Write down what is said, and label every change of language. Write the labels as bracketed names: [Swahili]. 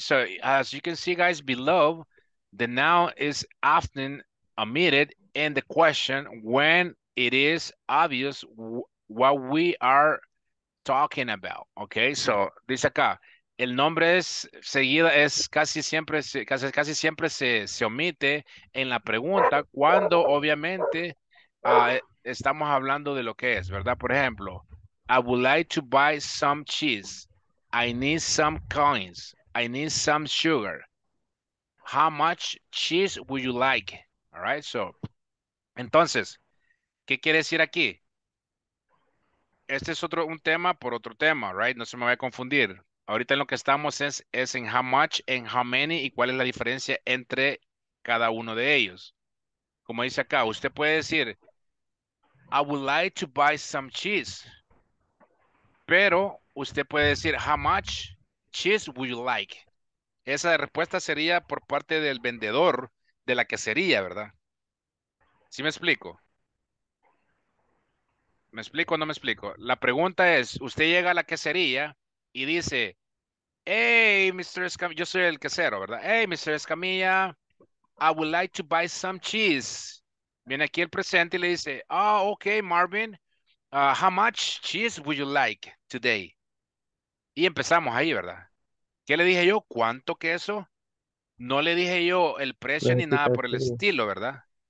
[English] So as you can see, guys, below, the noun is often omitted in the question when it is obvious what we are talking about. [Spanish] Okay, so dice acá, el nombre es seguida, es casi siempre se omite en la pregunta cuando obviamente estamos hablando de lo que es, ¿verdad? Por ejemplo, [English] I would like to buy some cheese. I need some coins. I need some sugar. How much cheese would you like? [Spanish] All right, so, entonces, ¿qué quiere decir aquí? Este es otro, un tema por otro tema, right? No se me vaya a confundir. Ahorita en lo que estamos es en [English] how much, [Spanish] en [English] how many, [Spanish] y cuál es la diferencia entre cada uno de ellos. Como dice acá, usted puede decir, [English] I would like to buy some cheese. [Spanish] Pero usted puede decir, [English] how much cheese would you like? [Spanish] Esa respuesta sería por parte del vendedor de la quesería, ¿verdad? ¿Sí me explico? ¿Me explico o no me explico? La pregunta es, usted llega a la quesería y dice, hey, Mr. Escamilla, yo soy el quesero, ¿verdad? Hey, Mr. [English] Escamilla, I would like to buy some cheese. [Spanish] Viene aquí el presente y le dice, [English] oh, okay, Marvin, how much cheese would you like today? [Spanish] Y empezamos ahí, ¿verdad? ¿Qué le dije yo? ¿Cuánto queso? No le dije yo el precio ni nada por el estilo, ¿verdad?